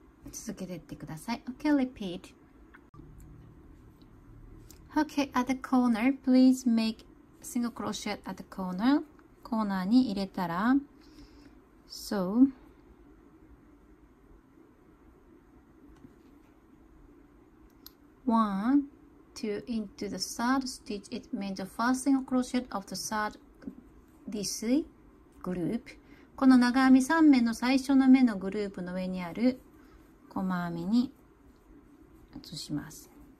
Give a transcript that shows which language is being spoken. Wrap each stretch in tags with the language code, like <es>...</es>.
<ja>続けていってください。</ja> <en>Okay, repeat. Okay, at the corner, please make single crochet at the corner.</en> <ja>コーナーに入れたら、</ja> <en>So, one, two, into the third stitch. It means the first single crochet of the third DC group.</en> <ja>この長編み3目の最初の目のグループの上にある細編みに移します。</ja>